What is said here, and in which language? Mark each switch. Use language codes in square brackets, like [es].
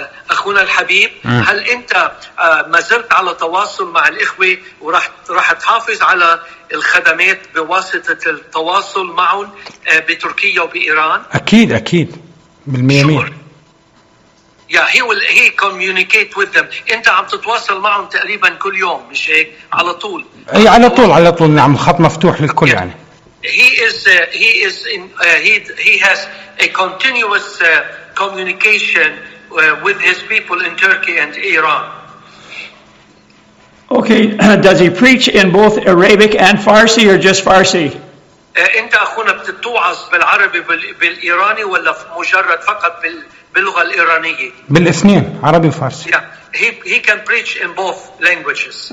[ar] أخونا الحبيب هل أنت ما زلت على تواصل مع الإخوة ورح تحافظ على الخدمات بواسطة التواصل معهم بتركيا وبإيران؟ أكيد أكيد بالمية. [en] Yeah, he communicate with them. [ar] أنت عم تتواصل معهم تقريبا كل يوم مش هيك على طول؟ أي على طول على طول نعم خط مفتوح للكل yeah. يعني. [en] He has a continuous communication with his people in Turkey and Iran. Okay, does he preach in both Arabic and Farsi or just Farsi? [ar] أنت أخونا بتتوعظ بالعربي بالإيراني ولا مجرد فقط باللغة الإيرانية؟ بالاثنين عربي وفارسي. [en] Yeah, he can preach in both languages.